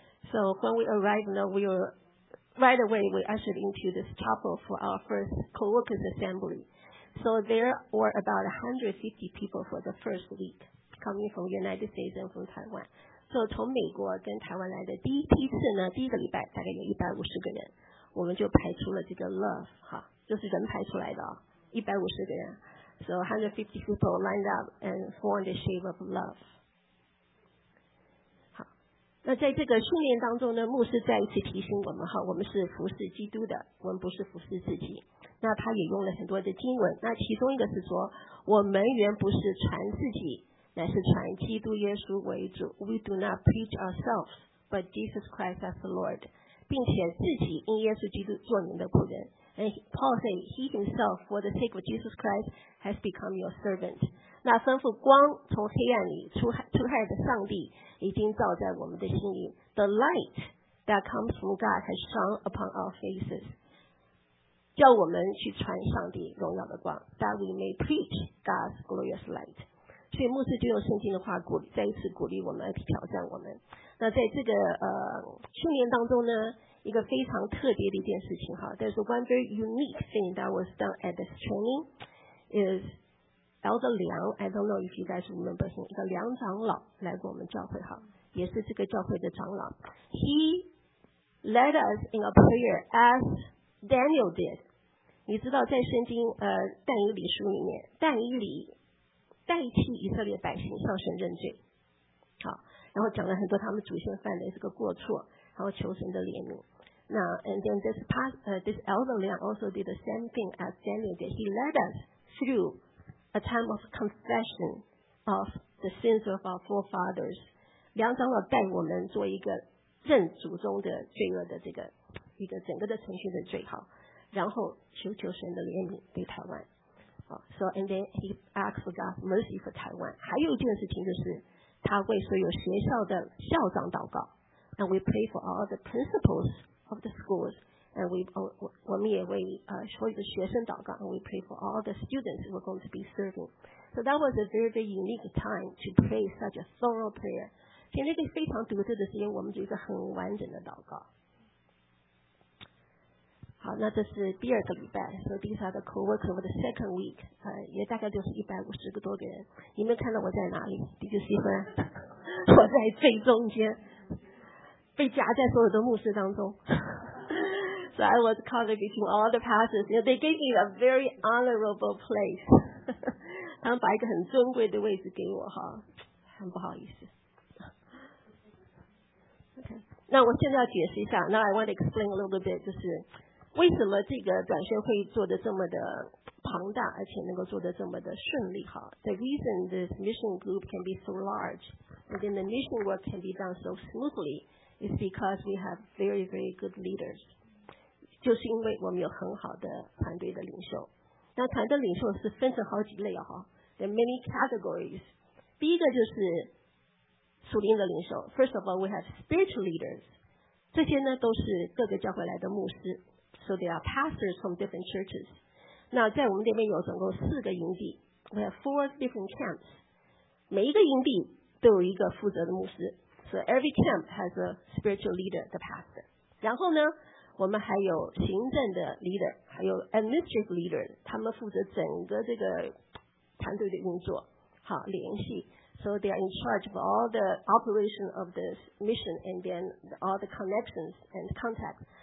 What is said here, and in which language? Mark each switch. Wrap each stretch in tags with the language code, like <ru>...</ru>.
<en>So when we arrive, you know, we were right away we ushered into this chapel for our first co-workers assembly. So there were about 150 people for the first week. Coming from United States and from Taiwan.</en> <zh>So, 从美国跟台湾来的第一批次呢，第一个礼拜大概有150个人，我们就排出了这个 love, 哈，就是人排出来的哦，150个人。</zh> <en>So, 150 people lined up and formed the shape of love.</en> <zh>好，那在这个训练当中呢，牧师再一次提醒我们，哈，我们是服侍基督的，我们不是服侍自己。那他也用了很多的经文，那其中一个是说，我们原不是传自己。乃是传基督耶稣为主</zh> <en>We do not preach ourselves But Jesus Christ as the Lord</en> <zh>并且自己因耶稣基督做您的仆人</zh> <en>And Paul said He himself for the sake of Jesus Christ Has become your servant</en> <zh>那吩咐光从黑暗里出来的上帝已经照在我们的心里</zh> <en>The light that comes from God Has shone upon our faces</en> <zh>叫我们去传上帝荣耀的光</zh> <en>That we may preach God's glorious light</en> <zh>所以牧师就用圣经的话鼓励，再一次鼓励我们，挑战我们。那在这个训练当中呢，一个非常特别的一件事情哈。</zh> <en>There's one very unique thing that was done at this training is Elder Liang. I don't know if you guys remember him.</en> <zh>一个梁长老来过我们教会哈，也是这个教会的长老。</zh> <en>He led us in a prayer as Daniel did.</en> <zh>你知道在圣经但以理书里面，但以理代替以色列百姓向神认罪，好，然后讲了很多他们祖先犯的这个过错，然后求神的怜悯。</zh> <en>那 and then this past this Elder Liang also did the same thing as Daniel did. He led us through a time of confession of the sins of our forefathers.</en> <zh>梁长老带我们做一个认祖宗的罪恶的这个一个整个的程序的罪好，然后求求神的怜悯对台湾。</zh> <en>So and then he asked for God's mercy for Taiwan.</en> <zh>还有一件事情就是他为所有学校的校长祷告。</zh> <en>And we pray for all the principals of the schools. And we</en> <zh>们也为所有的学生祷告。</zh> <en>And we pray for all the students who are going to be serving. So that was a very, very unique time to pray such a thorough prayer.</en> <zh>在那个非常独特的时间，我们做一个很完整的祷告。好，那这是第二个礼拜，所以</zh> <en>these are the co-workers for the second week，</en> <zh>也大概就是150多个人。你们看到我在哪里？第九十分，我在最中间，被夹在所有的牧师当中。</zh> <en>So I was caught between all the pastors. You know, they gave me a very honorable place.</en> <zh>他们把一个很尊贵的位置给我哈，很不好意思。 OK， 那我现在要解释一下。</zh> <en>Now I want to explain a little bit，</en> <zh>就是。为什么这个转宣会做得这么的庞大，而且能够做得这么的顺利？</zh> <en>The reason this mission group can be so large and then the mission work can be done so smoothly is because we have very, very good leaders.</en> <zh>就是因为我们有很好的团队的领袖。那团队领袖是分成好几类哈，</zh> <en>There are many categories.</en> <zh>第一个就是属灵的领袖。</zh> <en>First of all, we have spiritual leaders.</en> <zh>这些呢都是各个教会来的牧师。</zh> <en>So there are pastors from different churches.</en> <zh>那在我们这边有总共四个营地。</zh> <en>We have four different camps.</en> <zh>每一个营地都有一个负责的牧师。</zh> <en>So every camp has a spiritual leader, the pastor.</en> <zh>然后呢，我们还有行政的 leader, 还有 administrative leader, 他们负责整个这个团队的运作，好，联系。</zh> <en>So they are in charge of all the operation of this mission and then all the connections and contacts.</en>